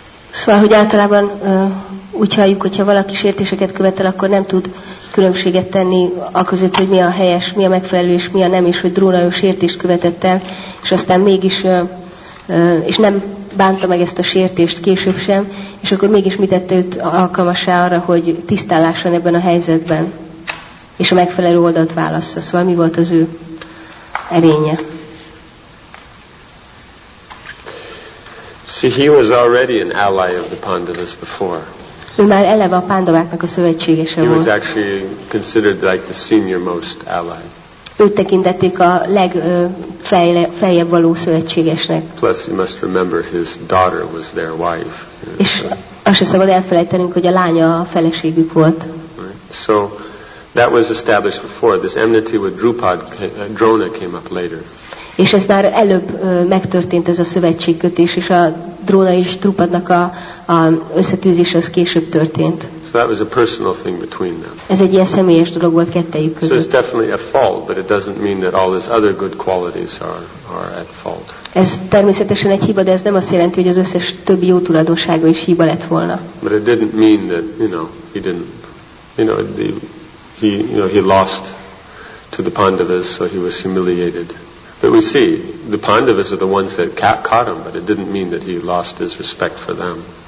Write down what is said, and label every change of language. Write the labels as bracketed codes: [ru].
[hu] Szóval, hogy általában úgy halljuk, hogyha valaki sértéseket követel, akkor nem tud különbséget tenni a között, hogy mi a helyes, mi a megfelelő, és mi a nem, és hogy Drona sértést követett el, és aztán mégis, és nem bánta meg ezt a sértést később sem, és akkor mégis mit tette őt alkalmassá arra, hogy tisztálláson ebben a helyzetben, és a megfelelő oldalt válassza. Szóval mi volt az ő erénye? [en] See, he was already an ally of the Pandavas before. [hu] Ő már eleve a Pándováknak a szövetségese volt. [en] He was actually considered like the senior most ally. [hu] Őt tekintették a legfeljebb való szövetségesnek. [en] Plus, you must remember his daughter was their wife. [hu] És azt sem szabad elfelejtenünk, hogy a lánya a feleségük volt. [en] Right. So that was established before. This enmity with Drupad, Drona came up later. [hu] És ez már előbb megtörtént, ez a szövetségkötés, és a Drona és Drupadnak a összetűzése az később történt. [en] So that was a personal thing between them. [hu] Ez egy ilyen személyes dolog volt kettejük között. [en] So it's definitely a fault, but it doesn't mean that all his other good qualities are at fault. [hu] Ez természetesen egy hiba, de ez nem azt jelenti, hogy az összes többi jó tulajdonsága is hiba lett volna. [en] But it didn't mean that, you know, he didn't, you know, the, he, you know, he lost to the Pandavas, so he was humiliated. But we see the Pandavas are the ones that caught him, but it didn't mean that he lost his respect for them.